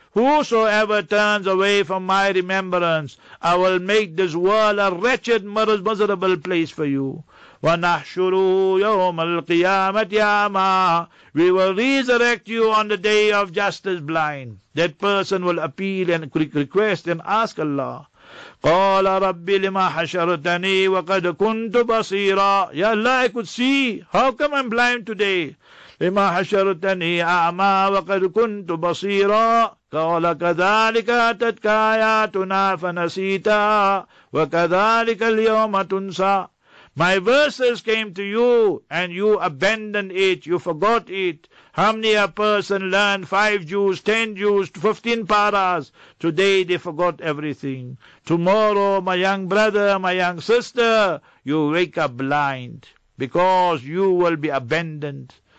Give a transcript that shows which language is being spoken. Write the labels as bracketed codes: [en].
[en] Whosoever turns away from my remembrance, I will make this world a wretched, miserable place for you. [ar] وَنَحْشُرُهُ يَوْمَ الْقِيَامَةِ يَعْمَى. [en] We will resurrect you on the day of justice blind. That person will appeal and request and ask Allah. [ar] قال ربي لما حشرتني وقد كنت بصيرا. [en] Ya Allah, I could see. How come I'm blind today? [ar] لما حشرتني أعمى وقد كنت بصيرا. قال كذلك أتتك آياتنا فنسيتا وكذلك اليوم تنسى. [en] My verses came to you and you abandoned it, you forgot it. How many a person learned 5 Jews, 10 Jews, 15 paras? Today they forgot everything. Tomorrow, my young brother, my young sister, you wake up blind because you will be abandoned.